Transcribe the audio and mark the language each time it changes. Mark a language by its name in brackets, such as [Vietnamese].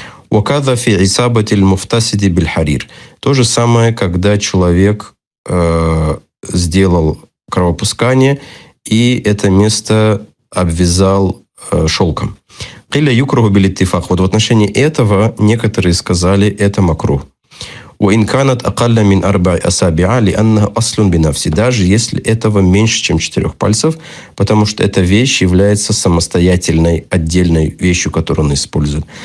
[Arabic] Уаказа фи исабати муфтасиди биль харир. [Russian] То же самое, когда человек сделал кровопускание и это место обвязал шелком. [Arabic] Киля юкруху биль иттифах. [Russian] Вот в отношении этого некоторые сказали, это макрух. [Arabic] وإن كانت أقل من أربع أصابع لأنها أصل بنفسه. [Russian] Даже если этого меньше, чем 4 пальцев, потому что эта вещь является самостоятельной, отдельной вещью, которую он использует.